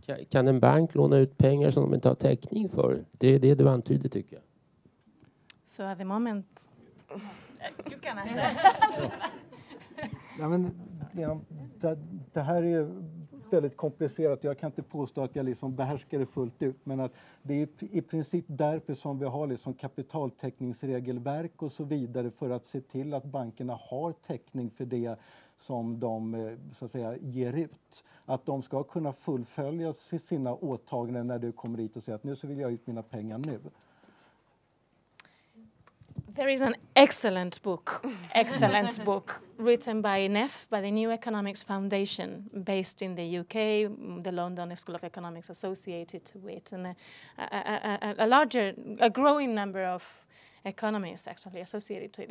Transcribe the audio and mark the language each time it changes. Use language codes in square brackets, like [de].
[sv] Kan en bank låna ut pengar som de inte har täckning för? Det är det du antyder, tycker jag. [en] So at the moment, you can ask that. [sv] Ja, men, [en] you know, [sv] det här är väldigt komplicerat. Jag kan inte påstå att jag liksom behärskar det fullt ut, men att det är i princip därför som vi har liksom kapitaltäckningsregelverk och så vidare, för att se till att bankerna har täckning för det som de, så att säga, ger ut. Att de ska kunna fullfölja sina åtaganden när du kommer hit och säger att nu så vill jag ut mina pengar nu. [en] There is an excellent book, excellent book, written by NEF, by the New Economics Foundation, based in the UK, the London School of Economics associated with, and a growing number of economists actually associated to it.